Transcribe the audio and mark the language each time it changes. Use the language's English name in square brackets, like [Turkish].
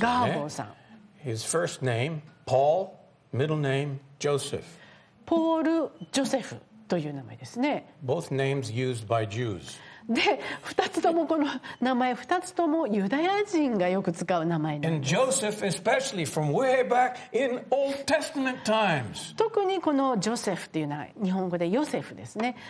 [Japanese] ガーボーさん。 [English] His first name, Paul, middle name, Joseph. [Japanese] ポール・ジョセフという名前ですね。 [English] Both names used by Jews. [Japanese] で、二つともこの名前、二つともユダヤ人がよく使う名前なんです。 [English] And Joseph especially from way back in Old Testament times. [Japanese] 特にこのジョセフというのは日本語でヨセフですね。